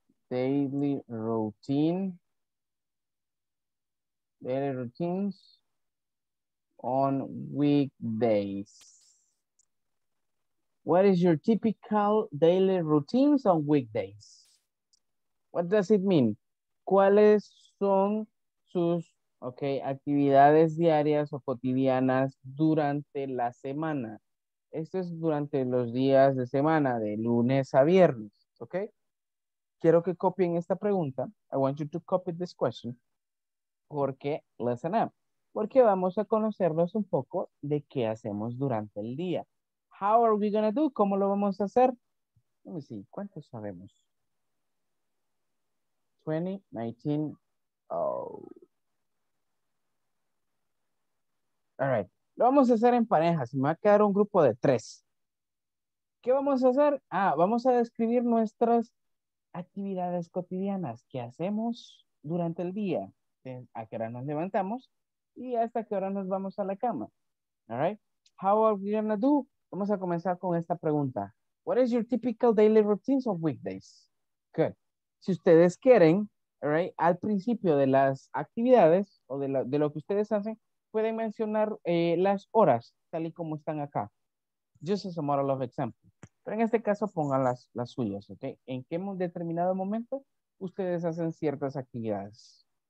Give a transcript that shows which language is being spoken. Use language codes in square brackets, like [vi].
[en] daily routine. Daily routines on weekdays. What is your typical daily routines on weekdays? What does it mean? [es] ¿Cuáles son sus okay, actividades diarias o cotidianas durante la semana? Esto es durante los días de semana, de lunes a viernes, ¿ok? Quiero que copien esta pregunta. [en] I want you to copy this question. [es] Porque, listen up. Porque vamos a conocernos un poco de qué hacemos durante el día. [en] How are we going to do? [es] ¿Cómo lo vamos a hacer? [en] Let me see. [es] ¿Cuántos sabemos? [en] 20, 19, oh. All right. [es] Lo vamos a hacer en parejas. Me va a quedar un grupo de tres. ¿Qué vamos a hacer? Ah, vamos a describir nuestras actividades cotidianas. ¿Qué hacemos durante el día? ¿A qué hora nos levantamos? ¿Y hasta qué hora nos vamos a la cama? [en] All right. How are we going to do? [es] Vamos a comenzar con esta pregunta. [en] What is your typical daily routines of weekdays? Good. [es] Si ustedes quieren, all right, al principio de las actividades o de lo que ustedes hacen, pueden mencionar las horas, tal y como están acá. [en] Just as a model of example. [es] Pero en este caso, pongan las suyas, ¿ok? ¿En qué determinado momento ustedes hacen ciertas actividades?